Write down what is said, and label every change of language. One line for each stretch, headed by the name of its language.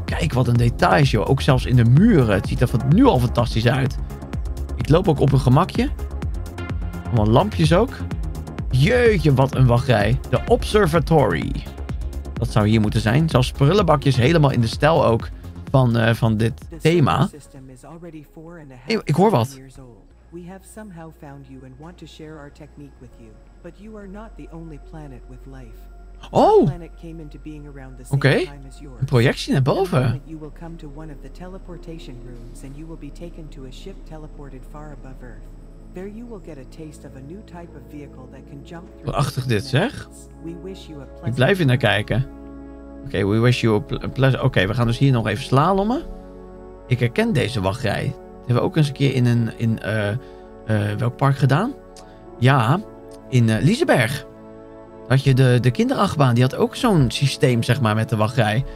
Dutch: Kijk, wat een details, joh. Ook zelfs in de muren. Het ziet er nu al fantastisch uit. Ik loop ook op een gemakje. Allemaal lampjes ook. Jeetje, wat een wachtrij. De Observatory. Dat zou hier moeten zijn. Zelfs prullenbakjes helemaal in de stijl ook van dit thema. Hey, ik hoor wat.
English: We have somehow found you and want to share our technique with you. But you are not the only planet with life.
Dutch: Oh! Oké. Een projectie naar boven.
English: You will come to one of the teleportation rooms and you will be taken to a ship teleported far above Earth. There you will get a taste of a new type of vehicle that can jump through.
Dutch: Prachtig dit, zeg. Ik blijf hier naar kijken. Oké,
English: we wish you a pleasure.
Dutch: Oké, we gaan dus hier nog even slalommen. Ik herken deze wachtrij. Dat hebben we ook eens een keer welk park gedaan? Ja, in Liseberg. Dat je de kinderachtbaan, die had ook zo'n systeem, zeg maar, met de wachtrij.